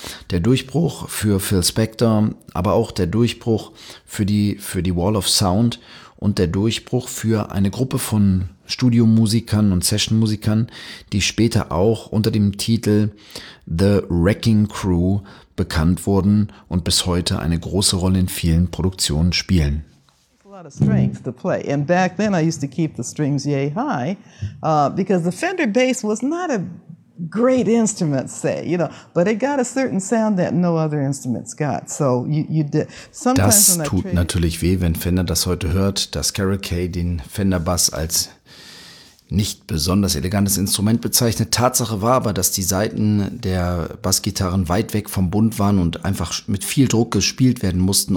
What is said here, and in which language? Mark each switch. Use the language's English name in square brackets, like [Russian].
[German] Der Durchbruch für Phil Spector, aber auch der Durchbruch für die Wall of Sound und der Durchbruch für eine Gruppe von Studiomusikern und Sessionmusikern, die später auch unter dem Titel The Wrecking Crew bekannt wurden und bis heute eine große Rolle in vielen Produktionen spielen. [English] A lot of strength to play. And back then I used to keep the strings yay high, because the Fender bass was not a great instrument, say, you know, but it got a certain sound that no other instruments got. So you did. [German] Sometimes das tut natürlich weh, wenn Fender das heute hört, dass Carole Kaye den Fender Bass als nicht besonders elegantes Instrument bezeichnet. Tatsache war aber, dass die Saiten der Bassgitarren weit weg vom Bund waren und einfach mit viel Druck gespielt werden mussten.